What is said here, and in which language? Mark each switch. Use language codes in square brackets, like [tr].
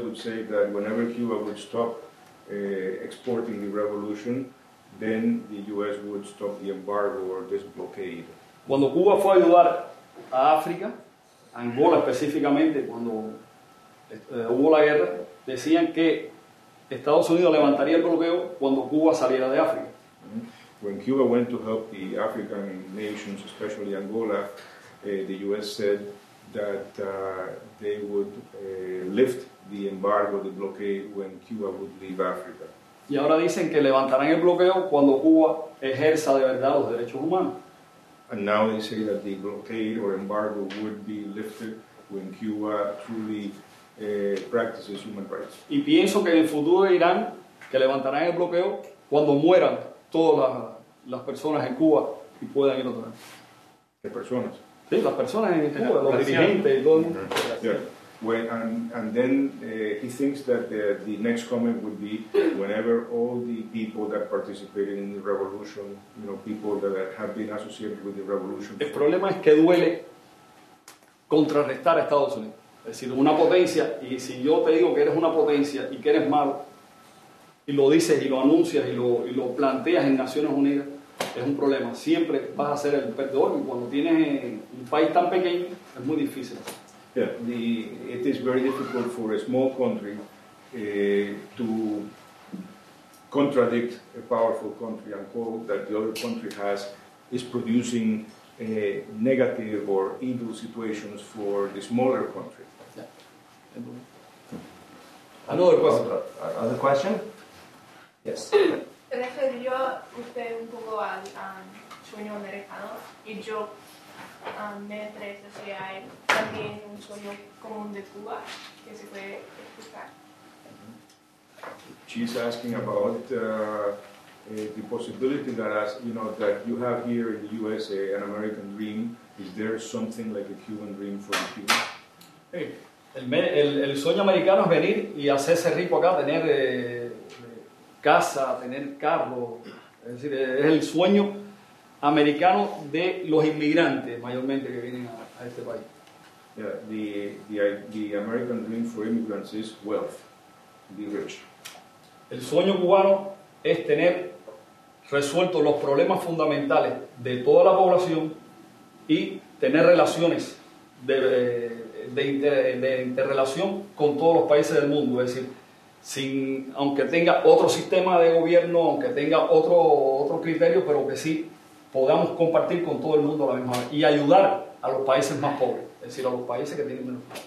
[en] would say that whenever Cuba would stop exporting the revolution, then the U.S. would stop the embargo or this blockade. [es] Cuando Cuba fue a ayudar a África, Angola específicamente, cuando hubo la guerra, decían que Estados Unidos levantaría el bloqueo cuando Cuba saliera de África. [en] When Cuba went to help the African nations, especially Angola, the U.S. said that they would lift the embargo, the blockade, when Cuba would leave Africa. [es] Y ahora dicen que levantarán el bloqueo cuando Cuba ejerza de verdad los derechos humanos. [en] And now they say that the blockade or embargo would be lifted when Cuba truly practices human rights. [es] Y pienso que en el futuro dirán que levantarán el bloqueo cuando mueran todas las personas en Cuba y puedan ir otra vez. ¿Qué personas? Sí, las personas en Cuba, los dirigentes, todo el mundo. [en] Yeah. Well, and then he thinks that the next comment would be whenever all the people that participated in the revolution, you know, people that have been associated with the revolution. [es] El problema es que duele contrarrestar a Estados Unidos. Es decir, una potencia, y si yo te digo que eres una potencia y que eres malo, y lo dices y lo anuncias y lo planteas en Naciones Unidas, es un problema. Siempre vas a ser el perdedor, y cuando tienes un país tan pequeño, es muy difícil. [en] It is very difficult for a small country to contradict a powerful country and call that the other country has is producing negative or evil situations for the smaller country. Another question. Other question? Yes. [es] Refería usted un poco al sueño americano, y yo me interesa si hay también un sueño común de Cuba que se puede explicar. [en] She's asking about the possibility that, as you know, that you have here in the USA an American dream. Is there something like a Cuban dream for the Cuba? Hey. [es] El sueño americano es venir y hacerse rico acá, tener casa, tener carro. Es decir, es el sueño americano de los inmigrantes, mayormente, que vienen a este país. [en] Yeah, the American dream for immigrants is wealth, be rich. [es] El sueño cubano es tener resueltos los problemas fundamentales de toda la población y tener relaciones de interrelación con todos los países del mundo. Es decir, aunque tenga otro sistema de gobierno, aunque tenga otro criterio, pero que sí podamos compartir con todo el mundo a la misma vez y ayudar a los países más pobres, es decir, a los países que tienen menos.